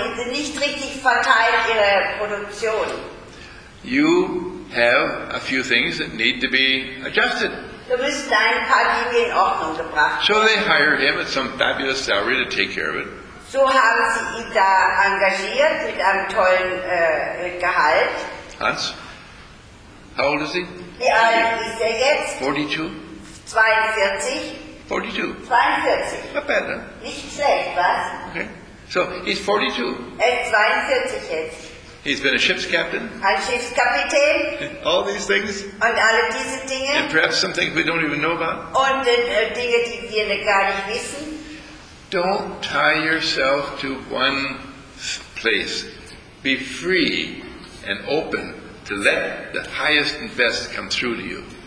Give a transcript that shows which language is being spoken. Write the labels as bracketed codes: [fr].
[de] Nicht richtig verteilt ihre Produktion. [en] You have a few things that need to be adjusted. [de] Du musst ein paar Dinge in Ordnung gebracht. [en] So they hire him at some fabulous salary to take care of it. [de] So haben sie ihn da engagiert mit einem tollen Gehalt. [en] Hans, how old is he? [de] Wie alt ist er jetzt? 42. 42. 42. 42. [en] Not bad, huh? [de] Nicht schlecht, was? [en] Okay. So he's 42. [de] Er ist 42 jetzt. [en] He's been a ship's captain. [de] Ein Schiffskapitän. [en] All these things. [de] Und alle diese Dinge. [en] And perhaps some things we don't even know about. [de] Und Dinge, die wir gar nicht wissen. [en] Don't tie yourself to one place. Be free and open to let the highest and best come through to you.